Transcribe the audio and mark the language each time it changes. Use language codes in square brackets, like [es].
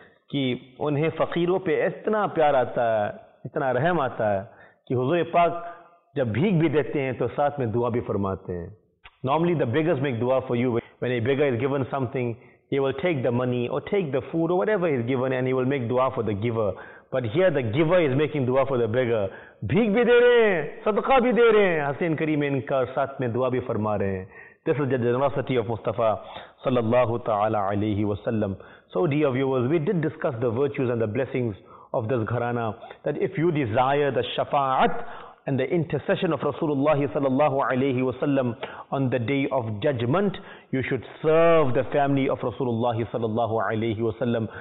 [hi] कि उन्हें फकीरों पे इतना प्यार आता है, इतना रहम आता है कि हुजूर पाक जब भीख भी देते हैं तो साथ में दुआ भी फरमाते हैं. [en] Normally the beggars make dua for you. When a beggar is given something, he will take the money or take the food or whatever he is given and he will make dua for the giver. But here the giver is making dua for the beggar. [hi] भीख भी दे रहे हैं, सदका भी दे रहे हैं, हसीन करीम इनका साथ में दुआ भी फरमा रहे हैं. [en] This is the generosity of Mustafa sallallahu ta'ala alayhi wa sallam. So dear viewers, we did discuss the virtues and the blessings of this gharana, that if you desire the shafa'at and the intercession of Rasulullah sallallahu alayhi wa sallam on the day of judgment, you should serve the family of Rasulullah sallallahu alayhi wa sallam.